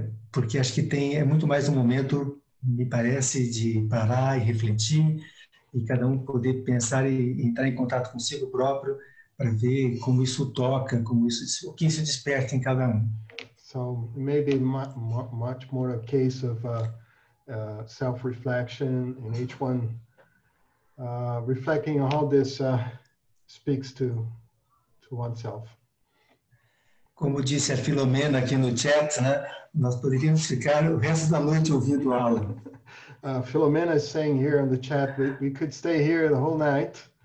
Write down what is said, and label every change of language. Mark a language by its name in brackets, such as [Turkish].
[Portuguese] Porque acho que é muito mais um momento, me parece, de parar e refletir e cada um poder pensar e entrar em contato consigo próprio para ver como isso toca, como isso, o que isso desperta em cada um. [English] So maybe much more a case of self-reflection in each one, reflecting on how this speaks to oneself. [Portuguese] Como disse a Filomena aqui no chat, né? Nós poderíamos ficar o resto da noite ouvindo aula. [English] Philomena is saying here in the chat, we could stay here the whole night.